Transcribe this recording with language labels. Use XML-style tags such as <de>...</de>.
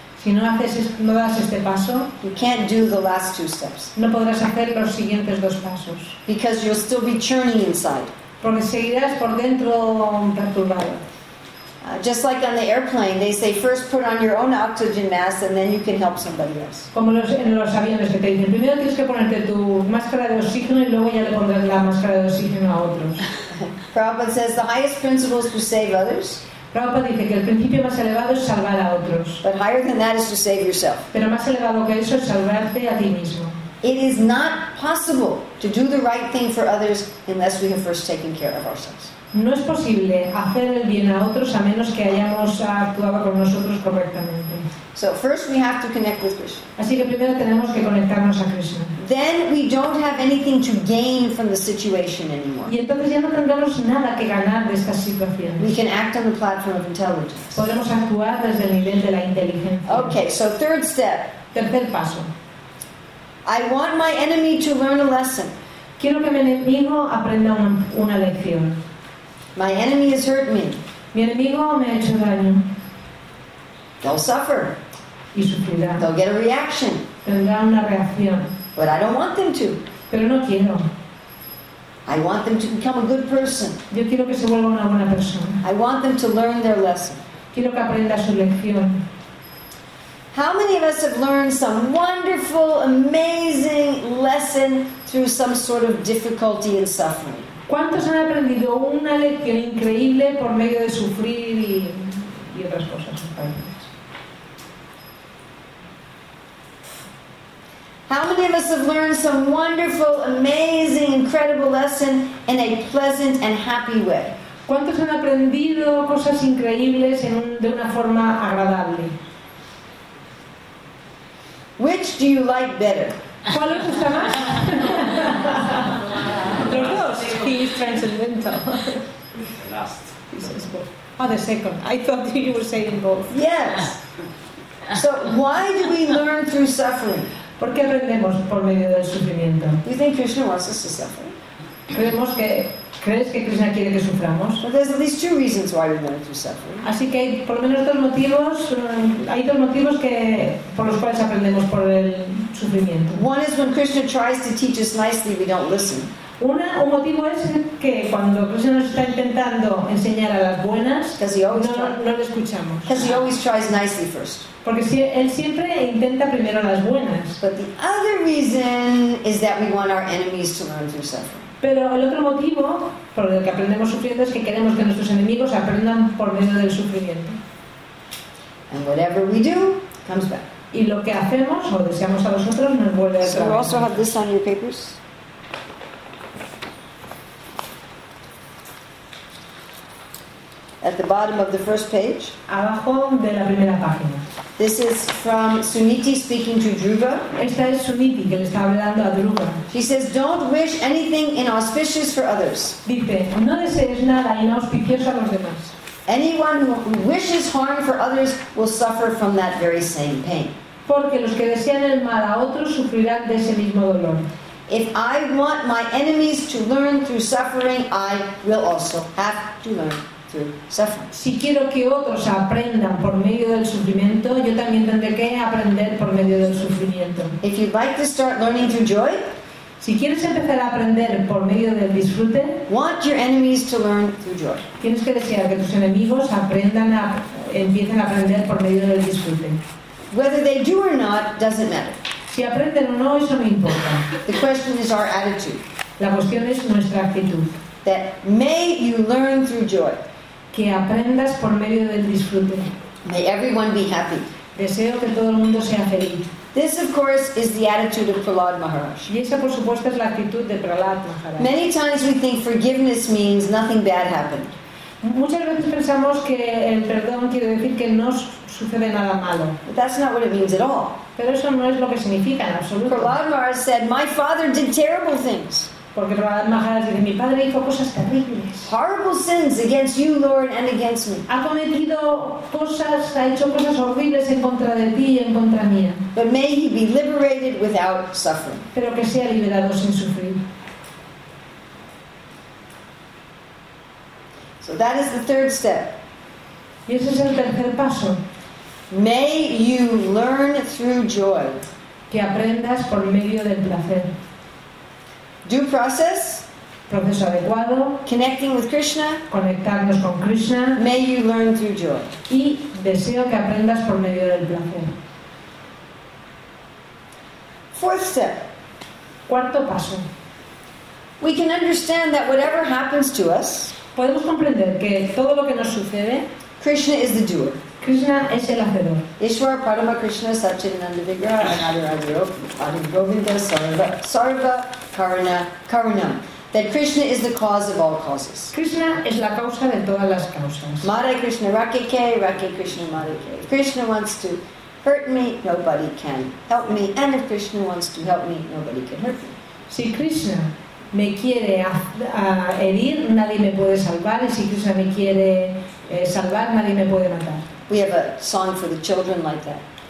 <es>si no haces, no das este paso,</es> <en>you can't do the last two steps.</en> <es>No podrás hacer los siguientes dos pasos.</es> <en>Because you'll still be churning inside.</en> <es>Porque seguirás por dentro perturbado.</es> <en>Just like on the airplane, they say first put on your own oxygen mask and then you can help somebody else.</en> <es>Como en los aviones que te dicen, primero tienes que ponerte tu máscara de oxígeno y luego ya le pondrás la máscara de oxígeno a otros.</es> <en>Prabhupada says the highest principle is to save others.</en> <es>Prabhupada dice que el principio más elevado es salvar a otros.</es> <en>But higher than that is to save yourself.</en> <es>Pero más elevado que eso es salvarte a ti mismo.</es> <en>It is not possible to do the right thing for others unless we have first taken care of ourselves.</en> <es>No es posible hacer el bien a otros a menos que hayamos actuado con nosotros correctamente.</es> <en>So first we have to connect with Krishna.</en> <es>Así que primero tenemos que conectarnos a Krishna.</es> <en>Then we don't have anything to gain from the situation anymore.</en> <es>Y entonces ya no tendremos nada que ganar de esta situación.</es> <en>We can act on the platform of intelligence.</en> <es>Podemos actuar desde el nivel de la inteligencia.</es> <en>Okay, so third step.</en> <es>Tercer paso.</es> <en>I want my enemy to learn a lesson.</en> <es>Quiero que mi enemigo aprenda una lección.</es> <en>My enemy has hurt me.</en> <es>Mi enemigo me ha hecho daño.</es> <en>They'll suffer.</en> <es>Y sufrirá.</es> <en>They'll get a reaction.</en> <es>Tendrá una reacción.</es> <en>But I don't want them to.</en> <es>Pero no quiero.</es> <en>I want them to become a good person.</en> <es>Yo quiero que se vuelva una buena persona.</es> <en>I want them to learn their lesson.</en> <es>Quiero que aprenda su lección.</es> <en>How many of us have learned some wonderful, amazing lesson through some sort of difficulty and suffering?</en> <es>¿Cuántos han aprendido una lección increíble por medio de sufrir y otras cosas?</es> <en>How many of us have learned some wonderful, amazing, incredible lesson in a pleasant and happy way?</en> <es>¿Cuántos han aprendido cosas increíbles de una forma agradable?</es> <en>Which do you like better?</en> <es>¿Cuál os gusta más?</es> <en>He's transcendental. The last. Oh, the second. I thought you were saying both. Yes. So why do we learn through suffering?</en> <es>¿Por qué aprendemos por medio del sufrimiento?</es> <en>Do you think Krishna wants us to suffer?</en> <es>¿Crees que Krishna quiere que suframos?</es> <en>But there's at least two reasons why we learn through suffering.</en> <es>Así que hay por lo menos dos motivos que por los cuales aprendemos por el sufrimiento.</es> <en>One is when Krishna tries to teach us nicely, we don't listen.</en> <es>Un motivo es que cuando Krishna nos está intentando enseñar a las buenas, no le escuchamos.</es> <en>Because he always tries nicely first.</en> <es>Porque si, él siempre intenta primero las buenas.</es> <en>But the other reason is that we want our enemies to learn through suffering.</en> <es>Pero el otro motivo por el que aprendemos sufriendo es que queremos que nuestros enemigos aprendan por medio del sufrimiento.</es> <en>And whatever we do comes back.</en> <es>Y lo que hacemos o deseamos a los otros nos vuelve.</es> <en>So we also have this on your papers. At the bottom of the first page.</en> <es>Abajo de la primera página.</es> <en>This is from Suniti speaking to Dhruva.</en> <es>Esta es Suniti que le está hablando a Dhruva.</es> <en>She says, "Don't wish anything inauspicious for others."</en> <es>Dice, no desees nada inauspicioso a los demás.</es> <en>Anyone who wishes harm for others will suffer from that very same pain.</en> <es>Porque los que desean el mal a otros sufrirán de ese mismo dolor.</es> <en>If I want my enemies to learn through suffering, I will also have to learn.</en> <es>Si quiero que otros aprendan por medio del sufrimiento, yo también tendré que aprender por medio del sufrimiento.</es> <en>If you'd like to start learning through joy,</en> <es>si quieres empezar a aprender por medio del disfrute,</es> <en>want your enemies to learn through joy.</en> <es>Tienes que desear que tus enemigos empiecen a aprender por medio del disfrute.</es> <en>Whether they do or not doesn't matter.</en> <es>Si aprenden o no, eso no importa.</es> <en>The question is our attitude.</en> <es>La cuestión es nuestra actitud.</es> <en>that may you learn through joy.</en> <es>Que aprendas por medio del disfrute.</es> <en>May everyone be happy.</en> <es>Deseo que todo el mundo sea feliz.</es> <en>This, of course, is the attitude of Prahlad Maharaj.</en> <es>Y esa, por supuesto, es la actitud de Prahlad Maharaj.</es> <en>Many times we think forgiveness means nothing bad happened.</en> <es>Muchas veces pensamos que el perdón quiere decir que no sucede nada malo.</es> <en>But that's not what it means at all.</en> <es>Pero eso no es lo que significa en absoluto.</es> <en>Prahlad Maharaj said, "My father did terrible things."</en> <es>Porque Prahlad Maharaj dice, mi padre hizo cosas terribles.</es> <en>Horrible sins against you, Lord, and against me.</en> <es>Ha cometido cosas, ha hecho cosas horribles en contra de ti y en contra mía.</es> <en>But may he be liberated without suffering.</en> <es>Pero que sea liberado sin sufrir.</es> <en>So that is the third step.</en> <es>Y ese es el tercer paso.</es> <en>May you learn through joy.</en> <es>Que aprendas por medio del placer.</es> <en>Due process,</en> <es>proceso adecuado,</es> <en>connecting with Krishna,</en> <es>conectarnos con Krishna,</es> <en>may you learn through joy.</en> <es>Y deseo que aprendas por medio del placer.</es> <en>Fourth step,</en> <es>cuarto paso.</es> <en>We can understand that whatever happens to us,</en> <es>podemos comprender que todo lo que nos sucede,</es> <en>Krishna is the doer.</en> <es>Krishna es el hacedor.</es> <sa>Ishwar Parama Krishna Satchitananda Vigraha Anadaradhyo Adigovinda Sarva Karana Karuna.</sa> <en>That Krishna is the cause of all causes.</en> <es>Krishna es la causa de todas las causas.</es> <bn>Mare Krishna Rake Ke, Rake Krishna Mare Ke.</bn> <en>If Krishna wants to hurt me, nobody can help me. And if Krishna wants to help me, nobody can hurt me.</en> <es>Si Krishna me quiere herir, nadie me puede salvar. Y si Krishna me quiere salvar, nadie me puede matar.</es> <en>We have a song for the children like that.</en>